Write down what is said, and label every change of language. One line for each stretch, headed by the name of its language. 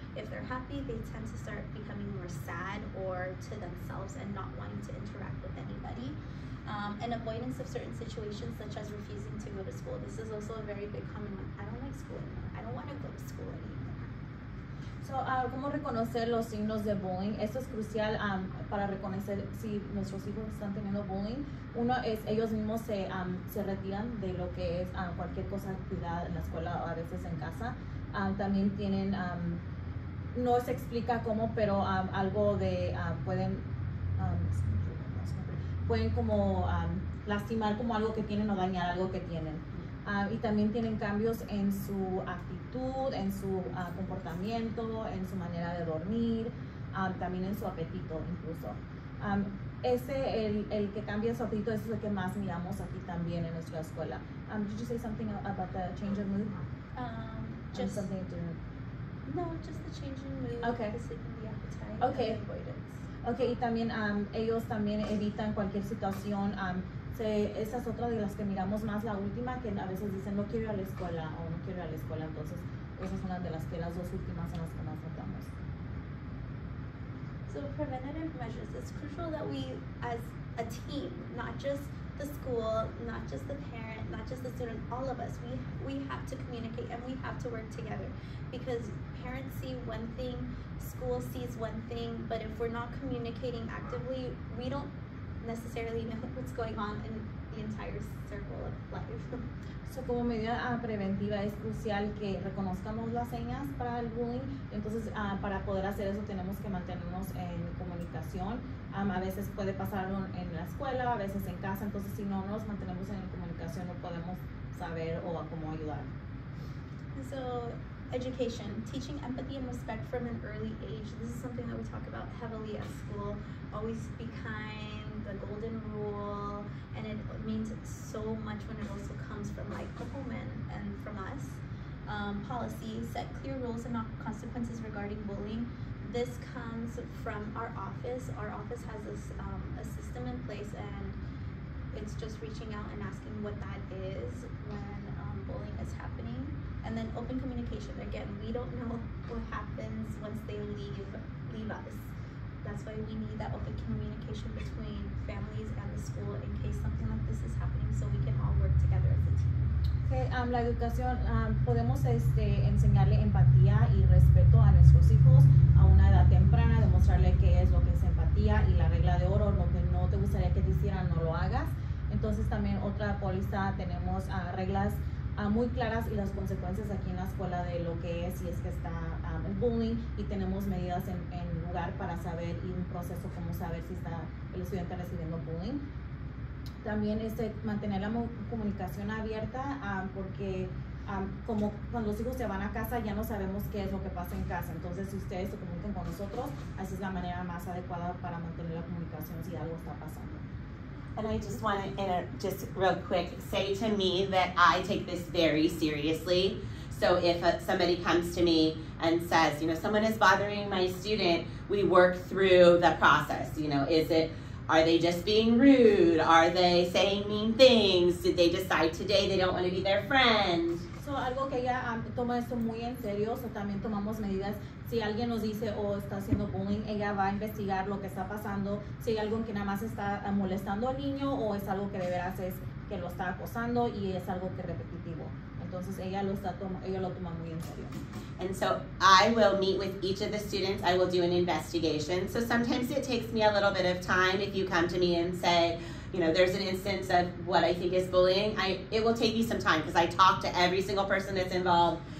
English: If they're happy, they tend to start becoming more sad or to themselves and not wanting to interact with anybody. And avoidance of certain situations, such as refusing to go to school. This is also a very big common one. I don't like school anymore. I don't want to go to school anymore.
Spanish: So, ¿cómo reconocer los signos de bullying? Esto es crucial para reconocer si nuestros hijos están teniendo bullying. Uno es ellos mismos se retiran de lo que es cualquier cosa cuidada en la escuela o a veces en casa. También tienen, no se explica cómo, pero algo de pueden como lastimar como algo que tienen o dañar algo que tienen. Y también tienen cambios en su actitud, en su comportamiento, en su manera de dormir, también en su apetito incluso. El que cambia su apetito es el que más miramos aquí también en nuestra escuela.
English: Did you say something about the change of mood? Just the change in mood. Okay. The sleeping, the appetite, okay. And the avoidance.
Spanish: Okay, y también ellos también evitan cualquier situación. Esa es otra de las que miramos más, la última, que a veces dicen no quiero ir a la escuela o no quiero ir a la escuela. Entonces, esas son las dos últimas en las que más tratamos.
English: So, preventative measures. It's crucial that we, as a team, not just the school, not just the parent, not just the student, all of us, we have to communicate and we have to work together. Because parents see one thing, school sees one thing, but if we're not communicating actively, we don't necessarily know what's going on in the entire circle of life.
Spanish: So, como medida preventiva es crucial que reconozcamos las señas para el bullying. Entonces, para poder hacer eso tenemos que mantenernos en comunicación. A veces puede pasar en la escuela, a veces en casa. Entonces, si no nos mantenemos en comunicación, no podemos saber o a cómo ayudar.
English: So, education, teaching empathy and respect from an early age. This is something that we talk about heavily at school. Always be kind, the golden rule, and it means so much when it also comes from like the home and from us. Policy, set clear rules and not consequences regarding bullying. This comes from our office. Our office has a system in place, and it's just reaching out and asking what that is when bullying is happening. And then open communication. Again, we don't know what happens once they leave us. That's why we need that open communication between families and the school in case something like this is happening, so we can all work together as a team.
Spanish: La educación, podemos enseñarle empatía y respeto a nuestros hijos a una edad temprana, demostrarle qué es lo que es empatía y la regla de oro, lo que no te gustaría que te hicieran, no lo hagas. Entonces también otra póliza, tenemos reglas muy claras y las consecuencias aquí en la escuela de lo que es si es que está el bullying, y tenemos medidas en lugar para saber y un proceso como saber si está el estudiante recibiendo bullying. También mantener la comunicación abierta porque como cuando los hijos se van a casa ya no sabemos qué es lo que pasa en casa. Entonces, si ustedes se comunican con nosotros, así es la manera más adecuada para mantener la comunicación si algo está pasando.
English: And I just want to, just real quick, say to me that I take this very seriously. So if somebody comes to me and says, you know, someone is bothering my student, we work through the process. You know, are they just being rude? Are they saying mean things? Did they decide today they don't want to be their friend?
Spanish: So algo que ella toma esto muy en serio, so también tomamos medidas. Si alguien nos dice o está haciendo bullying, ella va a investigar lo que está pasando. Si hay algo que nada más está molestando al niño o es algo que de veras es que lo está acosando y es algo que repetitivo. Entonces ella lo toma muy en serio.
English: And so I will meet with each of the students. I will do an investigation. So sometimes it takes me a little bit of time. If you come to me and say, you know, there's an instance of what I think is bullying, it will take me some time because I talk to every single person that's involved.